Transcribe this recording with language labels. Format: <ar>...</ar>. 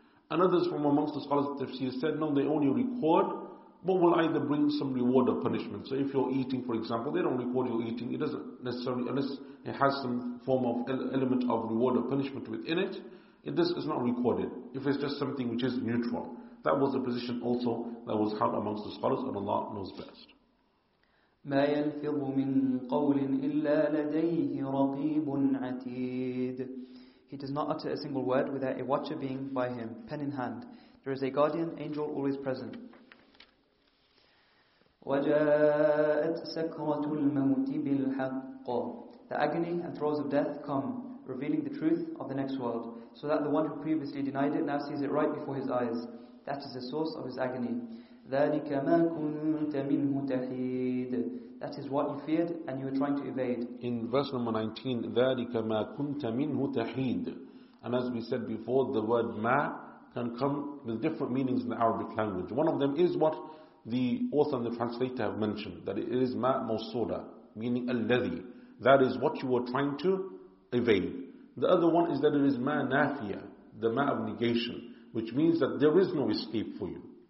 <en>And others from amongst the scholars of tafsir said, no, they only record what will either bring some reward or punishment. So if you're eating, for example, they don't record your eating. It doesn't necessarily, unless it has some form of element of reward or punishment within it, this is not recorded. If it's just something which is neutral. That was a position also that was held amongst the scholars, and Allah knows best.</en> <ar>ما يلفظ من قول إلا لديه رقيب عتيد.</ar> <en>He does not utter a single word without a watcher being by him, pen in hand. There is a guardian angel always present.</en> <ar>وجاءت سكرة الموت بالحق.</ar> <en>The agony and throes of death come, revealing the truth of the next world, so that the one who previously denied it now sees it right before his eyes. That is the source of his agony.</en> <ar>ذلك ما كنت منه تحيد.</ar> <en>That is what you feared and you were trying to evade. In verse number 19,</en> <ar>ذلك ما كنت منه تحيد.</ar> <en>And as we said before, the word ma can come with different meanings in the Arabic language. One of them is what the author and the translator have mentioned, that it is ma mawsoola, meaning الذي. That is what you were trying to evade. The other one is that it is ma nafiya, the ma of negation, which means that there is no escape for you.</en>